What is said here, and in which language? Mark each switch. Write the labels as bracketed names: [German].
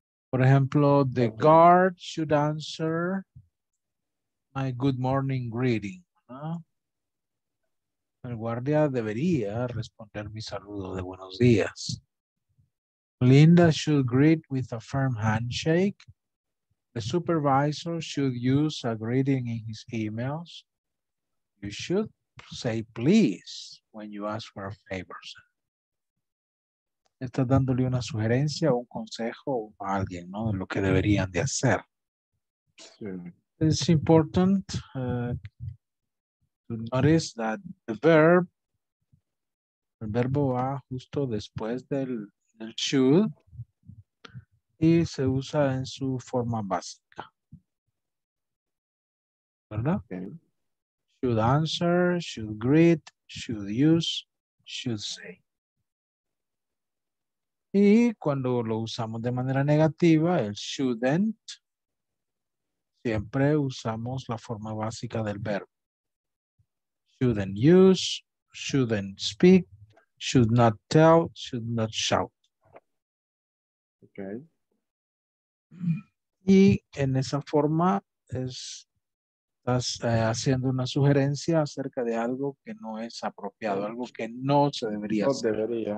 [Spanish] Por ejemplo, [English] the guard should answer my good morning greeting. [Spanish] ¿No? El guardia debería responder mi saludo de buenos días. [English] Linda should greet with a firm handshake. The supervisor should use a greeting in his emails. You should say please when you ask for a favor. [Spanish] Estás dándole una sugerencia o un consejo a alguien, ¿no? De lo que deberían de hacer. Sí. [English] It's important to notice that the verb, [Spanish] el verbo va justo después del should y se usa en su forma básica. ¿Verdad? [English] Okay. Should answer, should greet, should use, should say. [Spanish] Y cuando lo usamos de manera negativa, el shouldn't, siempre usamos la forma básica del verbo. [English] Shouldn't use, shouldn't speak, should not tell, should not shout. Okay. [Spanish] Y en esa forma estás haciendo una sugerencia acerca de algo que no es apropiado, algo que no se debería hacer.